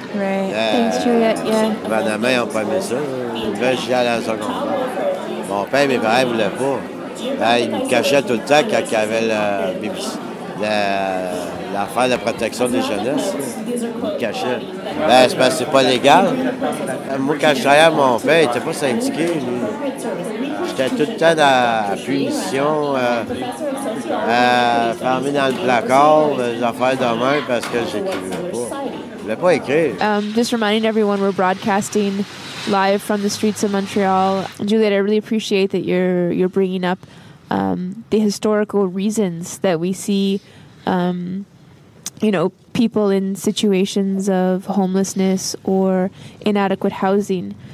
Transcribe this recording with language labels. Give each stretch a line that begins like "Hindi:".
English: Right. Thanks, Juliet. Yeah. Madame, I'm not going to go to the second. My parents, my parents wouldn't want to. They were
French: cachés
English: all the time when they had the
French: l'affaire de protection des jeunesses. Ils me cachaient. Ben, c'est parce que c'est pas légal. Moi, quand je travaillais à mon père, il était pas syndiqué. Lui. J'étais tout le temps dans la punition, fermé dans le placard, des affaires de main parce que j'écrivais pas. Je voulais pas écrire.
English: Just reminding everyone, we're broadcasting live from the streets of Montreal. Juliet, I really appreciate that you're bringing up the historical reasons that we see, you know, people in situations of homelessness or inadequate housing.